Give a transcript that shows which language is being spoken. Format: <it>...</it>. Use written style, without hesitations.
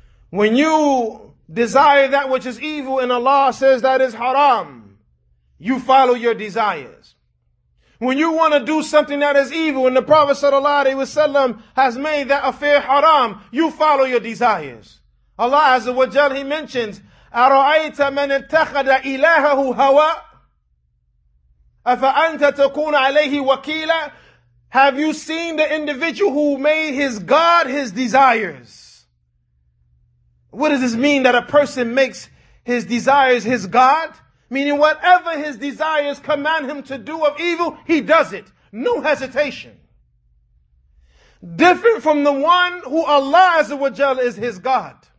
<en>When you desire that which is evil and Allah says that is haram, you follow your desires. When you want to do something that is evil and the Prophet sallallahu alaihi wasallam has made that affair haram, you follow your desires.</en> <ar>Allah azza wa jal,</ar> <en>he mentions,</en> <ar>أَرَأَيْتَ مَنِ اتَّخَدَ إِلَهَهُ هَوَى أَفَأَنْتَ تَكُونَ عَلَيْهِ وَكِيلًا.</ar> <en>Have you seen the individual who made his God his desires? What does this mean, that a person makes his desires his God? Meaning whatever his desires command him to do of evil, he does it. No hesitation. Different from the one who Allah azza wa jal is his God.</en>